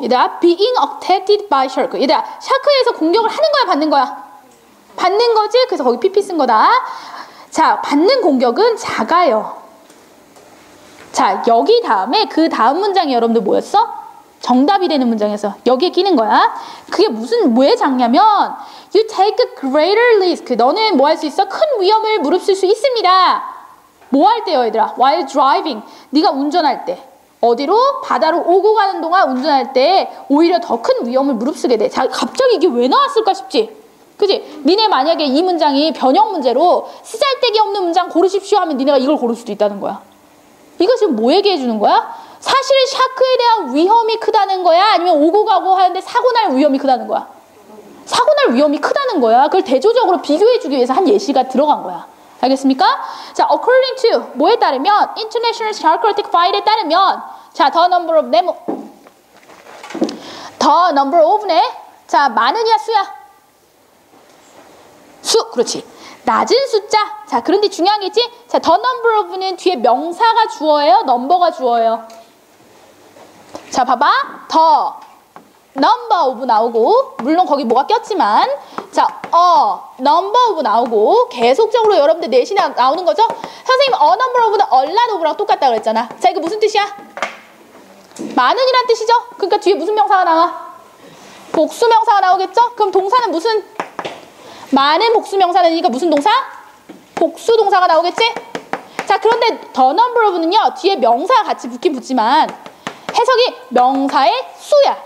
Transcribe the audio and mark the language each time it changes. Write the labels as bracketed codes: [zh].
[ko] 얘들아, [en] being attacked by shark. [ko] 얘들아, 샤크에서 공격을 하는 거야, 받는 거야? 받는 거지? 그래서 거기 PP 쓴 거다. 자, 받는 공격은 작아요. 자, 여기 다음에 그 다음 문장이 여러분들 뭐였어? 정답이 되는 문장에서 여기에 끼는 거야. 그게 무슨, 왜 작냐면 [en] You take a greater risk. [ko] 너는 뭐 할 수 있어? 큰 위험을 무릅쓸 수 있습니다. 뭐 할 때요, 얘들아? [en] While driving. [ko] 네가 운전할 때. 어디로? 바다로 오고 가는 동안 운전할 때 오히려 더 큰 위험을 무릅쓰게 돼. 자, 갑자기 이게 왜 나왔을까 싶지? 그지? 니네 만약에 이 문장이 변형 문제로 쓰잘데기 없는 문장 고르십시오 하면 니네가 이걸 고를 수도 있다는 거야. 이거 지금 뭐 얘기해 주는 거야? 사실 샤크에 대한 위험이 크다는 거야? 아니면 오고 가고 하는데 사고 날 위험이 크다는 거야? 사고 날 위험이 크다는 거야. 그걸 대조적으로 비교해 주기 위해서 한 예시가 들어간 거야. 알겠습니까? [en] 자, according to [ko] 뭐에 따르면 [en] International Shark Attack File에 따르면 자, the number of them the number of [ko] 네 자, 많으냐 수야? 수, 그렇지. 낮은 숫자. 자, 그런데 중요한 게 있지? 자, the number of는 뒤에 명사가 주어예요? 넘버가 주어예요? 자, 봐봐. the number of 나오고, 물론 거기 뭐가 꼈지만, 자, a number of 나오고, 계속적으로 여러분들 내신에 나오는 거죠? 선생님, a number of는 a lot of랑 똑같다고 했잖아. 자, 이거 무슨 뜻이야? 많은이란 뜻이죠? 그러니까 뒤에 무슨 명사가 나와? 복수 명사가 나오겠죠? 그럼 동사는 무슨? 많은 복수 명사라니까 무슨 동사? 복수 동사가 나오겠지? 자, 그런데 the number of는요 뒤에 명사 같이 붙긴 붙지만 해석이 명사의 수야.